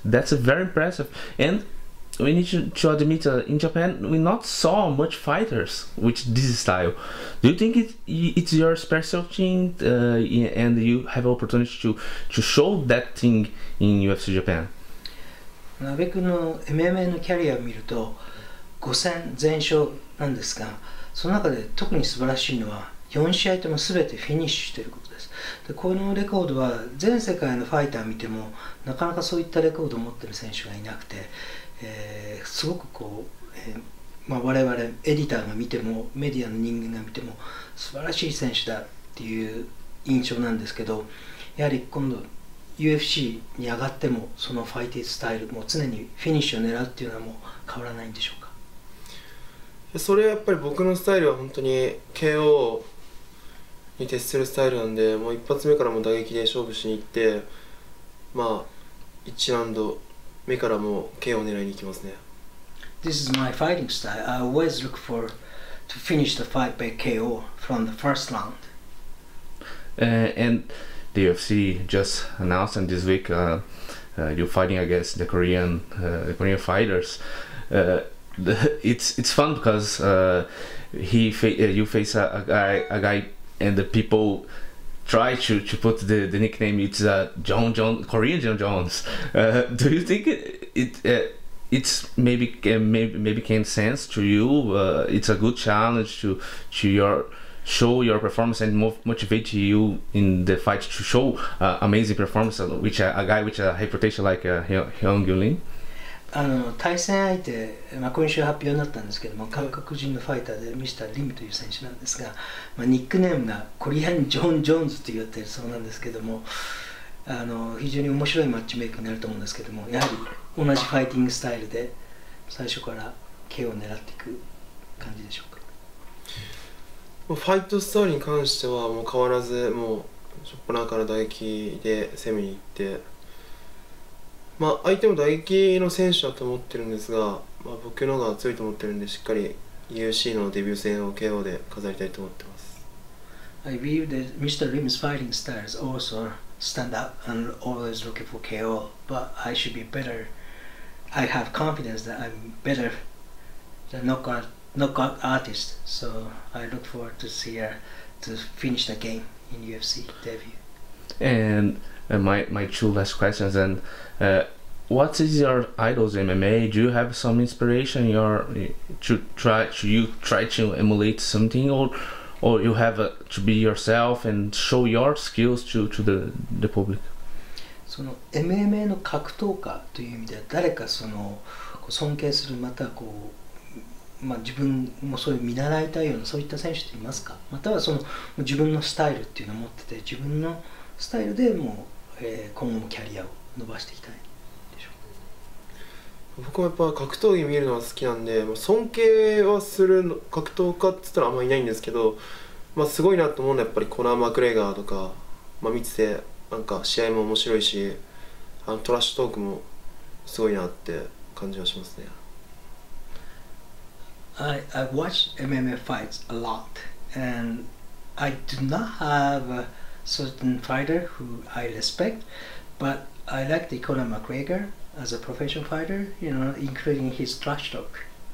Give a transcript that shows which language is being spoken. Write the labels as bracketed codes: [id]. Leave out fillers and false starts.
[en] That's a very impressive. And we need to admit, in Japan, we not saw much fighters with this style. Do you think it's your special thing, and you have opportunity to show that thing in UFC Japan? [ja] 安倍君の MMA のキャリアを見ると5戦全勝なんですが、その中で特に素晴らしいのは4試合とも全てフィニッシュしていることです。でこのレコードは全世界のファイター見てもなかなかそういったレコードを持っている選手がいなくて、すごくこう、まあ、我々エディターが見てもメディアの人間が見ても素晴らしい選手だっていう印象なんですけど、やはり今度 UFC に上がってもそのファイティスタイルも常にフィニッシュを狙うっていうのはもう変わらないんでしょうか。それはやっぱり僕のスタイルは本当に KO に徹するスタイルなんで、もう一発目からも打撃で勝負しに行って、まあ1ラウンド目からも KO を狙いに行きますね。 [en] This is my fighting style. I always look for to finish the fight by KO from the first round. And the UFC just announced, and this week you're fighting against the Korean fighters. It's fun because you face a guy and the people try to put the nickname. It's a Korean John Jones. Do you think it's maybe can sense to you, it's a good challenge to your show your performance and motivate you in the fight to show amazing performance, which a guy with a reputation like Hyun Gyu Lim? [ja] 対戦相手、まあ、今週発表になったんですけども、韓国人のファイターでミスターリムという選手なんですが、まあ、ニックネームがコリアン・ジョン・ジョーンズと言っているそうなんですけども、非常に面白いマッチメイクになると思うんですけども、やはり同じファイティングスタイルで最初から K を狙っていく感じでしょうか。ファイトスタイルに関してはもう変わらず、もう初っ端から打撃で攻めに行って、まあ相手も打撃の選手だと思ってるんですが、まあ僕の方が強いと思ってるんで、しっかり UFC のデビュー戦を KO で飾りたいと思ってます。 [en] I believe that Mr. Lim's fighting style is also stand up and always looking for KO, but I should be better. I have confidence that I'm better than knockout artist, so I look forward to see her to finish the game in UFC debut. And my two last questions, and what is your idols in MMA? Do you have some inspiration to emulate something, or you have to be yourself and show your skills to the public? [ja] その MMA の格闘家という意味では、誰かそのこう尊敬する、またこう、まあ、自分もそういう見習いたいような、そういった選手っていますか？またはその自分のスタイルっていうのを持ってて、自分のスタイルでもう、今後もキャリアを伸ばしていきたいでしょうか。僕もやっぱ格闘技見るのは好きなんで、尊敬はするの格闘家って言ったらあんまりいないんですけど、まあ、すごいなと思うのはやっぱりコナー・マクレーガーとか、まあ、見ててなんか試合も面白いし、あのトラッシュトークもすごいなって感じはしますね。 [en] I watch MMA fights a lot, and I do not have a certain fighter who I respect, but I like the Conor McGregor as a professional fighter, you know, including his trash talk.